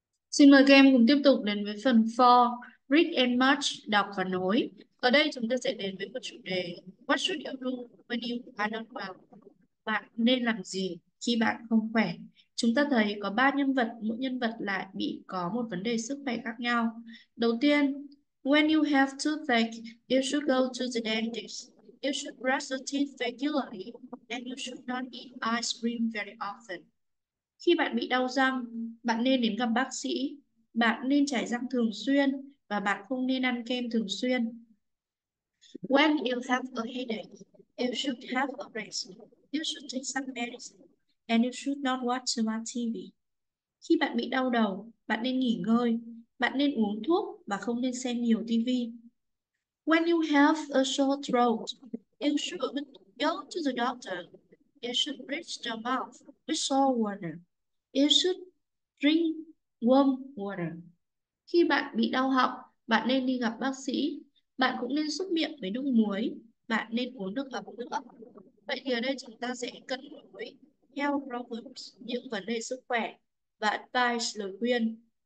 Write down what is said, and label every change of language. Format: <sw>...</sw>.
<vi>Xin mời các em cùng tiếp tục đến với phần 4,</vi> <en>Read and Match,</en> <vi>đọc và nối. Ở đây chúng ta sẽ đến với một chủ đề,</vi> <en>What should you do when you are not well?</en> <vi>Bạn nên làm gì khi bạn không khỏe? Chúng ta thấy có 3 nhân vật, mỗi nhân vật lại bị có một vấn đề sức khỏe khác nhau. Đầu tiên,</vi> <en>When you have toothache, you should go to the dentist. You should brush your teeth regularly and you should not eat ice cream very often.</en> <vi>Khi bạn bị đau răng, bạn nên đến gặp bác sĩ, bạn nên chải răng thường xuyên và bạn không nên ăn kem thường xuyên.</vi> <en>When you have a headache, you should have a rest. You should take some medicine and you should not watch too much TV.</en> <vi>Khi bạn bị đau đầu, bạn nên nghỉ ngơi, bạn nên uống thuốc và không nên xem nhiều TV.</vi> <en>When you have a sore throat, you should go to the doctor. You should rinse your mouth with salt water. You should drink warm water.</en> <vi>Khi bạn bị đau họng, bạn nên đi gặp bác sĩ. Bạn cũng nên súc miệng với nước muối. Bạn nên uống nước ấm nữa. Vậy thì ở đây chúng ta sẽ cân đối theo problems những vấn đề sức khỏe và advice lời khuyên.</vi>